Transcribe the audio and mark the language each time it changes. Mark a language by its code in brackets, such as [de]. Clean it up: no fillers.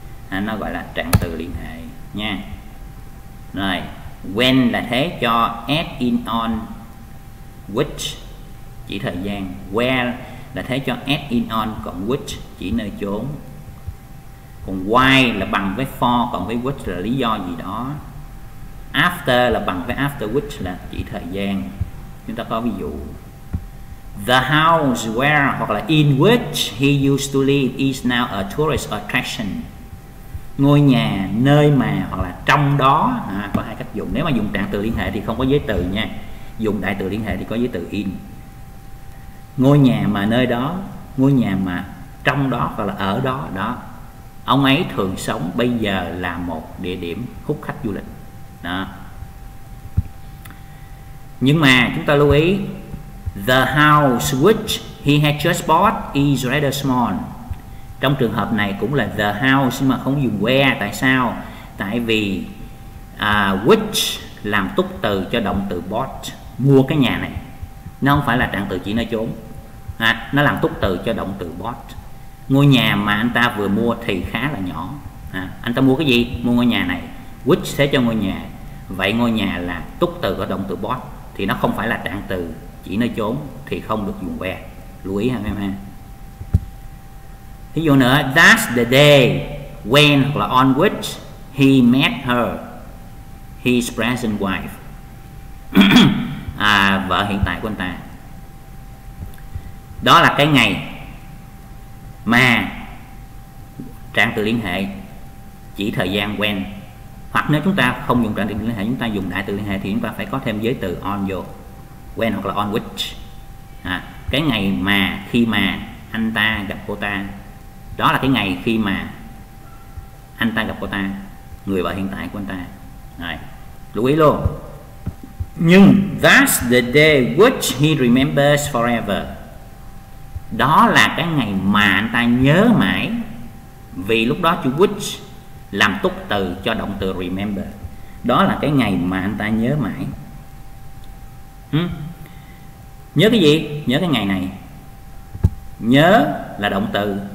[vi] À, nó gọi là trạng từ liên hệ nha. Rồi, when là thế cho, as in on, which chỉ thời gian, where là thế cho as in on cộng which chỉ nơi chốn. Còn why là bằng với for, còn với which là lý do gì đó. After là bằng với after which là chỉ thời gian. Chúng ta có ví dụ. [en] The house where [vi] hoặc là [en] in which he used to live is now a tourist attraction. [vi] Ngôi nhà, nơi mà hoặc là trong đó. À, có hai cách dùng. Nếu mà dùng trạng từ liên hệ thì không có giới từ nha. Dùng đại từ liên hệ thì có giới từ in. Ngôi nhà mà nơi đó, ngôi nhà mà trong đó hoặc là ở đó, đó. Ông ấy thường sống, bây giờ là một địa điểm hút khách du lịch. Đó. Nhưng mà chúng ta lưu ý, [en] the house which he had just bought is rather small. [vi] Trong trường hợp này cũng là the house nhưng mà không dùng where. Tại sao? Tại vì which làm túc từ cho động từ bought, mua cái nhà này. Nó không phải là trạng từ chỉ nơi chốn. À, nó làm túc từ cho động từ bought. Ngôi nhà mà anh ta vừa mua thì khá là nhỏ. À, anh ta mua cái gì? Mua ngôi nhà này. Which thế cho ngôi nhà. Vậy ngôi nhà là túc từ của động từ bought. Thì nó không phải là trạng từ chỉ nơi chốn. Thì không được dùng where. Lưu ý ha em ha. Ví dụ nữa. [en] That's the day when [vi] hoặc là [en] on which he met her, his present wife. [vi] À, vợ hiện tại của anh ta. Đó là cái ngày mà trạng từ liên hệ chỉ thời gian when. Hoặc nếu chúng ta không dùng trạng từ liên hệ, chúng ta dùng đại từ liên hệ thì chúng ta phải có thêm giới từ on vô, when hoặc là on which. À, cái ngày mà, khi mà anh ta gặp cô ta. Đó là cái ngày khi mà anh ta gặp cô ta, người vợ hiện tại của anh ta. Rồi, lưu ý luôn. [en] Nhưng that's the day which he remembers forever. [vi] Đó là cái ngày mà anh ta nhớ mãi. Vì lúc đó chữ which làm túc từ cho động từ remember. Đó là cái ngày mà anh ta nhớ mãi. Nhớ cái gì? Nhớ cái ngày này. Nhớ là động từ.